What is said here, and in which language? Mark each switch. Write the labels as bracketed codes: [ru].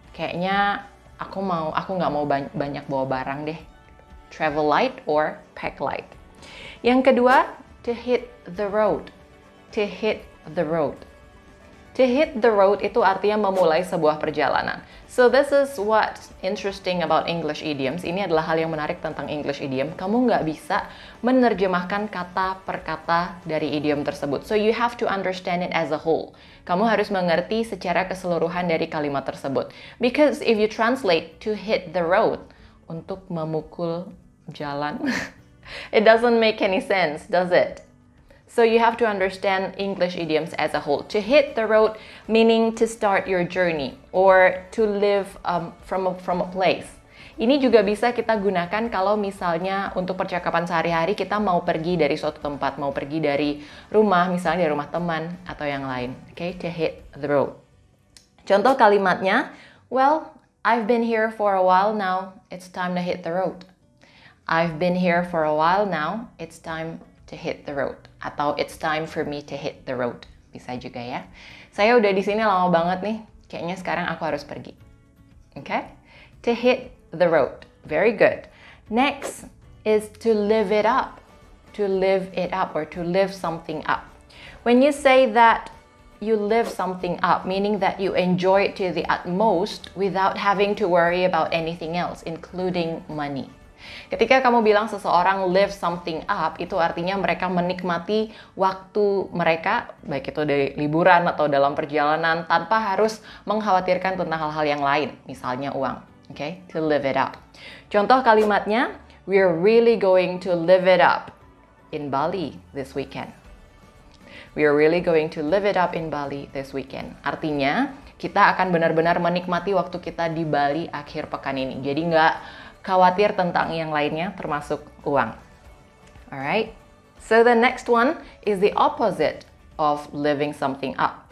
[id] Kayaknya aku nggak mau banyak bawa barang deh. [en] Travel light or pack light. [id] Yang kedua, [en] to hit the road. To hit the road. To hit the road [id] itu artinya memulai sebuah perjalanan. [en] So this is what's interesting about English idioms. [id] Ini adalah hal yang menarik tentang English idiom. Kamu nggak bisa menerjemahkan kata per kata dari idiom tersebut. [en] So you have to understand it as a whole. [id] Kamu harus mengerti secara keseluruhan dari kalimat tersebut. [en] Because if you translate to hit the road, [id] untuk memukul jalan. [en] It doesn't make any sense, does it? So you have to understand English idioms as a whole. To hit the road, meaning to start your journey, or to live from a place. [id] Ini juga bisa kita gunakan kalau misalnya untuk percakapan sehari-hari, kita mau pergi dari suatu tempat, mau pergi dari rumah, misalnya dari rumah teman, atau yang lain. [en] Okay? To hit the road. [id] Contoh kalimatnya, [en] well, I've been here for a while now, it's time to hit the road. I've been here for a while now, it's time to hit the road. [id] Atau [en] it's time for me to hit the road. [id] Bisa juga ya. Saya udah di sini lama banget nih, kayaknya sekarang aku harus pergi. Okay? [en] To hit the road. Very good. Next is to live it up. To live it up or to live something up. When you say that you live something up, meaning that you enjoy it to the utmost without having to worry about anything else, including money. [id] Ketika kamu bilang seseorang [en] live something up, [id] itu artinya mereka menikmati waktu mereka, baik itu di liburan atau dalam perjalanan, tanpa harus mengkhawatirkan tentang hal-hal yang lain, misalnya uang. [en] Okay? To live it up. [id] Contoh kalimatnya, [en] we're really going to live it up in Bali this weekend. We are really going to live it up in Bali this weekend. [id] Artinya, kita akan benar-benar menikmati waktu kita di Bali akhir pekan ini. Jadi nggak khawatir tentang yang lainnya, termasuk uang. [en] Alright? So the next one is the opposite of living something up.